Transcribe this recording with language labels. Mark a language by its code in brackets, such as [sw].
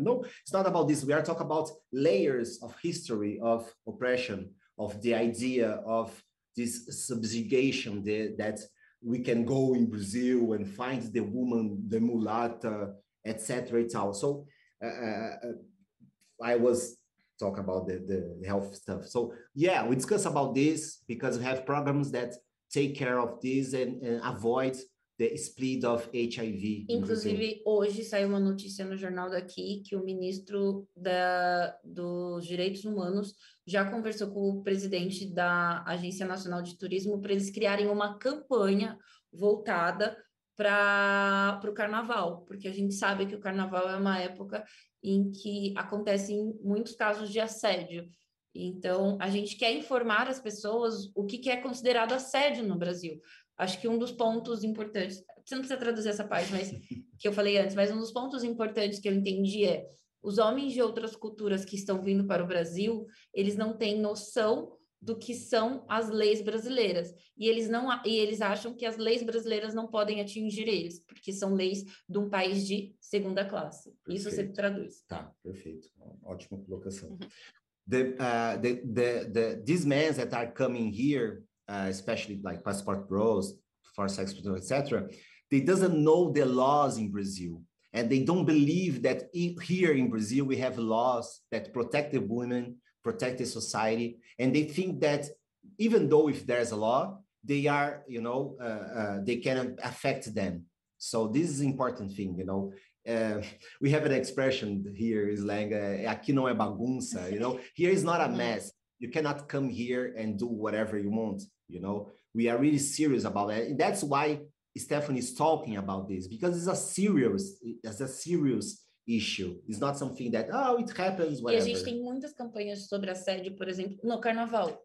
[en] No, it's not about this. We are talking about layers of history, of oppression, of the idea of this subjugation, that we can go in Brazil and find the woman, the mulata, etc. So I was talking about the health stuff. So yeah, we discuss about this because we have programs that take care of this and avoid the spread of HIV. [pt] Inclusive, hoje saiu uma notícia no jornal daqui que o ministro dos Direitos Humanos já conversou com o presidente da Agência Nacional de Turismo para eles criarem uma campanha voltada para o carnaval, porque a gente sabe que o carnaval é uma época em que acontecem muitos casos de assédio. Então, a gente quer informar as pessoas o que é considerado assédio no Brasil. Acho que um dos pontos importantes, você não precisa traduzir essa parte, mas que eu falei antes, mas um dos pontos importantes que eu entendi é os homens de outras culturas que estão vindo para o Brasil, eles não têm noção do que são as leis brasileiras. E eles acham que as leis brasileiras não podem atingir eles, porque são leis de um país de segunda classe. Perfeito. Isso você traduz. Tá, perfeito. Ótima colocação. [en] These men that are coming here, especially like Passport Bros, for sex, etc., they doesn't know the laws in Brazil. And they don't believe that here in Brazil, we have laws that protect the women, protect the society. And they think that even though if there's a law, they are, you know, they can affect them. So this is an important thing, you know. We have an expression here in slang, [pt] aqui não é bagunça, [en] you know. Here is not a mess. You cannot come here and do whatever you want, you know. We are really serious about that. And that's why Stephanie is talking about this, because it's a serious issue. It's not something that, oh, it happens, whatever. [pt] E a gente tem muitas campanhas sobre assédio, por exemplo, no carnaval.